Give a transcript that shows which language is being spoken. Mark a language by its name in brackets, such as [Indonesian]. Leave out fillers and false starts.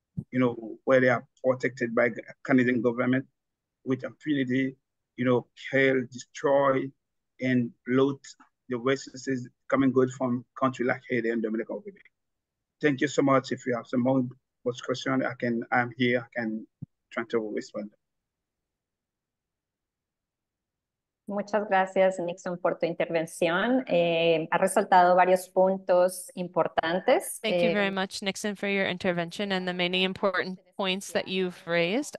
[English] You know, where they are protected by Canadian government with impunity, you know, kill, destroy, and loot the resources coming good from country like Haiti and Dominican Republic. Thank you so much. If you have some more questions, I'm here. I can try to respond. [Spanish] Muchas gracias, Nixon, por tu intervención. Ha resaltado varios puntos importantes. [English] Thank you very much, Nixon, for your intervention and the many important points that you've raised.